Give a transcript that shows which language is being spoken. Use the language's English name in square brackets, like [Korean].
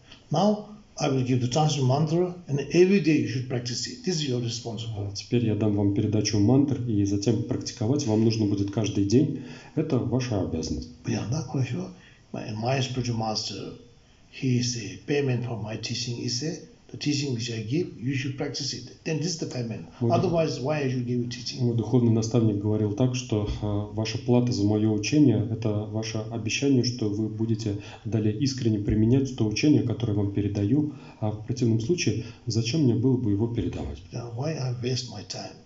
[English] Now I will give the translation mantra, and every day you should practice it. This is your responsibility. [Russian] Теперь я дам вам передачу мантр, и затем практиковать вам нужно будет каждый день. Это ваша обязанность. [English] My spiritual master, he is a payment for my teaching. He say the teaching which I give, you should practice it. Then this is the payment. Otherwise, why I should give you teaching? [Russian] Мой духовный наставник говорил так, что ваша плата за мое учение – это ваше обещание, что вы будете далее искренне применять то учение, которое вам передаю. А в противном случае, зачем мне было бы его передавать? [English] Why I waste my time?